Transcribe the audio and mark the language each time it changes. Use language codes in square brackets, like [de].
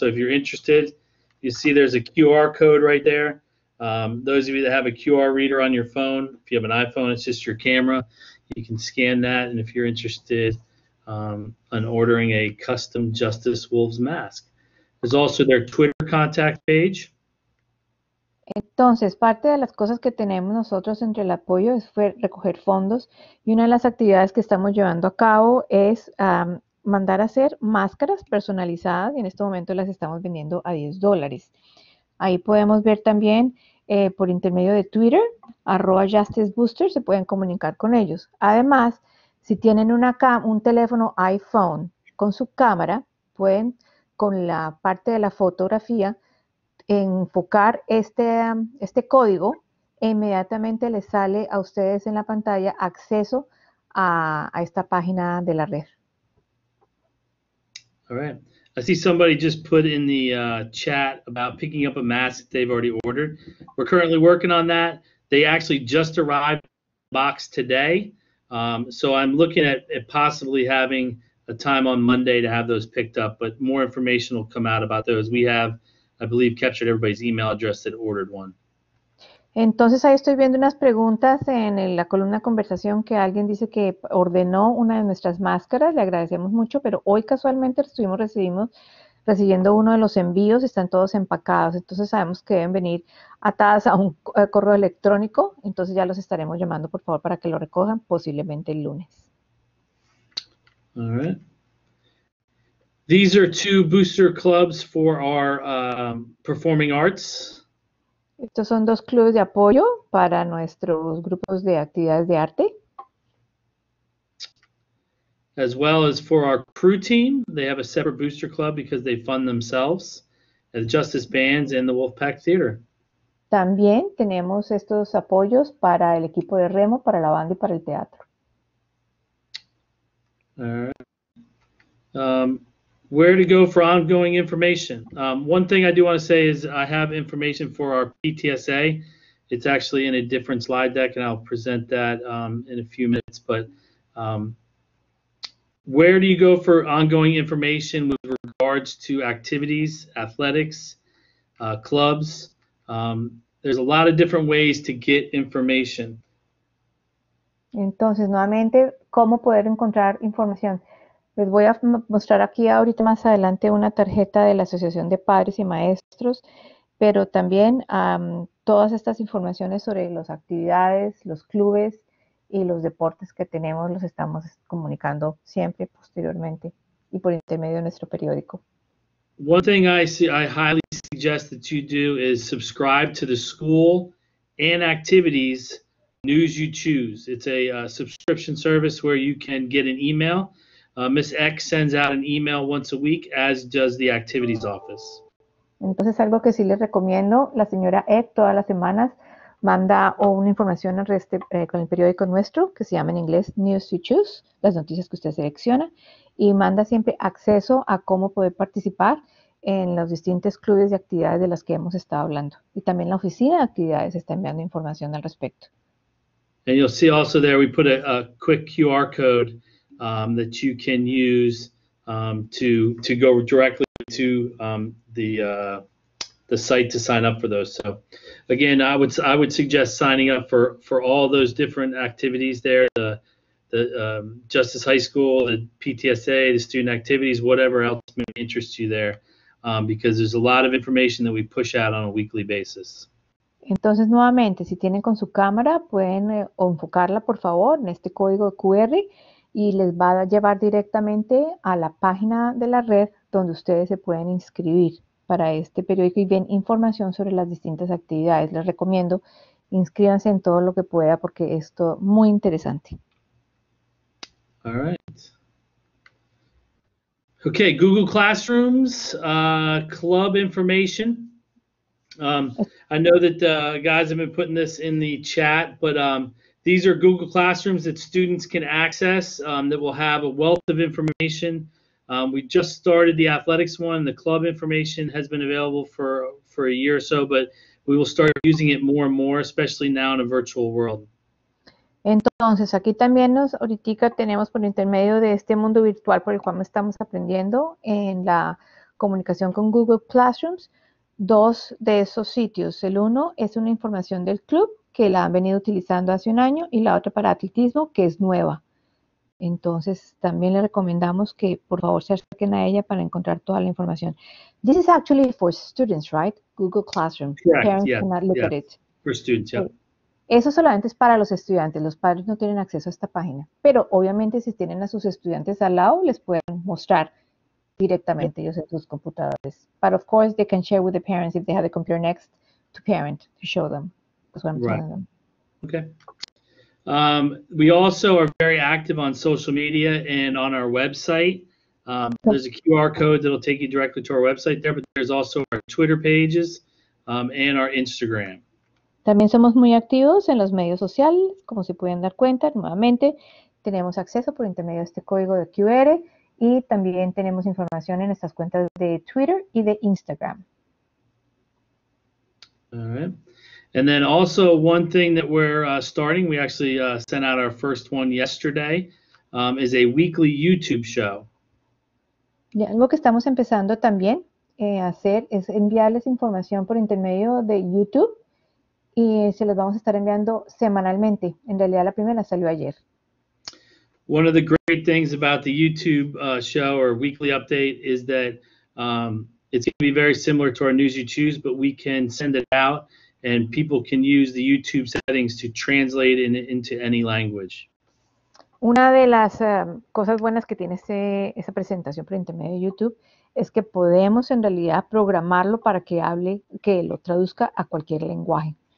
[en] So if you're interested, you see there's a QR code right there. Those of you that have a QR reader on your phone, if you have an iPhone, it's just your camera. You can scan that. And if you're interested in ordering a custom Justice Wolves mask, there's also their Twitter contact page. [es] Entonces, parte de las cosas que tenemos nosotros entre el apoyo es recoger fondos, y una de las actividades que estamos llevando a cabo es mandar a hacer máscaras personalizadas, y en este momento las estamos vendiendo a $10. Ahí podemos ver también por intermedio de Twitter, @JusticeBooster, se pueden comunicar con ellos. Además, si tienen un teléfono iPhone con su cámara, pueden con la parte de la fotografía enfocar este código e inmediatamente les sale a ustedes en la pantalla acceso a esta página de la red. [en] All right. I see somebody just put in the chat about picking up a mask that they've already ordered. We're currently working on that. They actually just arrived in the box today. So I'm looking at possibly having a time on Monday to have those picked up, but more information will come out about those. We have, I believe, captured everybody's email address that ordered one. [es] Entonces, ahí estoy viendo unas preguntas en la columna de conversación que alguien dice que ordenó una de nuestras máscaras. Le agradecemos mucho, pero hoy casualmente recibiendo uno de los envíos. Están todos empacados. Entonces, sabemos que deben venir atadas a un correo electrónico. Entonces, ya los estaremos llamando, por favor, para que lo recojan, posiblemente el lunes. [en] All right. These are two booster clubs for our performing arts. [es] Estos son dos clubes de apoyo para nuestros grupos de actividades de arte. [en] As well as for our crew team, they have a separate booster club because they fund themselves, the Justice Bands and the Wolfpack Theater. [es] También tenemos estos apoyos para el equipo de remo, para la banda y para el teatro. [en] Where to go for ongoing information? One thing I do want to say is I have information for our PTSA. It's actually in a different slide deck, and I'll present that in a few minutes. But where do you go for ongoing information with regards to activities, athletics, clubs? There's a lot of different ways to get information. [es] Entonces, nuevamente, ¿cómo poder encontrar información? Les voy a mostrar aquí ahorita más adelante una tarjeta de la Asociación de Padres y Maestros, pero también todas estas informaciones sobre las actividades, los clubes y los deportes que tenemos los estamos comunicando siempre posteriormente y por intermedio de nuestro periódico. [en] One thing I highly suggest that you do is subscribe to the school and activities news you choose. It's a subscription service where you can get an email. Miss X sends out an email once a week, as does the activities office. [es] Entonces, algo que sí les recomiendo, la señora X todas las semanas manda una información con el periódico nuestro, que se llama en inglés News You Choose, las noticias que usted selecciona, y manda siempre acceso a cómo poder participar en los distintos clubes de actividades de las que hemos estado hablando. Y también la oficina de actividades está enviando información al respecto. [en] And you'll see also there we put a quick QR code that you can use to go directly to the site to sign up for those. So again, I would suggest signing up for all those different activities there, the Justice High School, the PTSA, the student activities, whatever else may interest you there, because there's a lot of information that we push out on a weekly basis. [es] Entonces, nuevamente, si tienen con su cámara, pueden enfocarla, por favor, en este código QR, y les va a llevar directamente a la página de la red donde ustedes se pueden inscribir para este periódico y ven información sobre las distintas actividades. Les recomiendo, inscríbanse en todo lo que pueda porque es todo muy interesante. [en] All right. Okay, Google Classrooms, club information. I know that the guys have been putting this in the chat, but these are Google Classrooms that students can access that will have a wealth of information. We just started the athletics one. The club information has been available for a year or so, but we will start using it more and more, especially now in a virtual world. [es] Entonces, aquí también nos ahorita tenemos por intermedio de este mundo virtual por el cual estamos aprendiendo en la comunicación con Google Classrooms, dos de esos sitios. El uno es una información del club que la han venido utilizando hace un año y la otra para atletismo que es nueva. Entonces, también le recomendamos que por favor se acerquen a ella para encontrar toda la información. [en] This is actually for students, right? Google Classroom. Correct. Parents yeah. cannot look yeah. at it. For students, yeah. Okay. [es] Eso solamente es para los estudiantes, los padres no tienen acceso a esta página. Pero obviamente si tienen a sus estudiantes al lado, les pueden mostrar directamente ellos en sus computadores. [en] But of course, they can share with the parents if they have a computer next to parent to show them. That's what I'm right. telling them. Okay. We also are very active on social media and on our website. There's a QR code that'll take you directly to our website there, but there's also our Twitter pages and our Instagram. [es] También somos muy activos en los medios sociales, como se pueden dar cuenta, nuevamente tenemos acceso por intermedio de este código de QR y también tenemos información en estas cuentas de Twitter y de Instagram. [en] All right. And then also one thing that we're starting, we actually sent out our first one yesterday, is a weekly YouTube show. [es] Y algo que estamos empezando también a hacer es enviarles información por intermedio de YouTube. Y se los vamos a estar enviando semanalmente. En realidad, la primera salió ayer. [en] One of the great things about the YouTube show or weekly update is that it's going to be very similar to our News You Choose, but we can send it out and people can use the YouTube settings to translate it into any language. [es] Una de las cosas buenas que tiene esa presentación por intermedio de YouTube es que podemos en realidad programarlo para que hable, que lo traduzca a cualquier lenguaje.